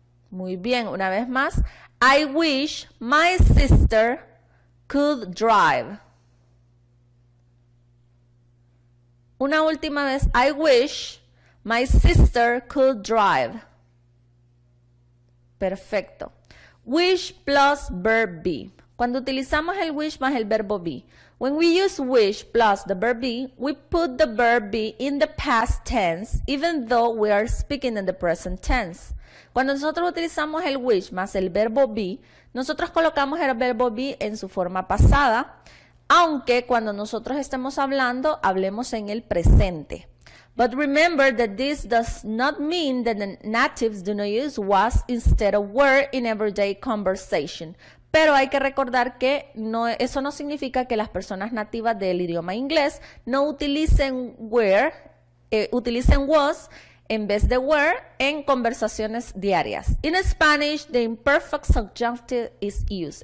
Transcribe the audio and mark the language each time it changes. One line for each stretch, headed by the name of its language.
Spanish: Muy bien, una vez más.
English: I wish my sister could drive.
Spanish: Una última vez.
English: I wish my sister could drive.
Spanish: Perfecto.
English: Wish plus verb be.
Spanish: Cuando utilizamos el wish más el verbo be.
English: When we use wish plus the verb be, we put the verb be in the past tense, even though we are speaking in the present tense.
Spanish: Cuando nosotros utilizamos el wish más el verbo be, nosotros colocamos el verbo be en su forma pasada, aunque cuando nosotros estemos hablando, hablemos en el presente.
English: But remember that this does not mean that the natives do not use was instead of were in everyday conversation.
Spanish: Pero hay que recordar que no, eso no significa que las personas nativas del idioma inglés no utilicen were, utilicen was en vez de were en conversaciones diarias.
English: In Spanish, the imperfect subjunctive is used.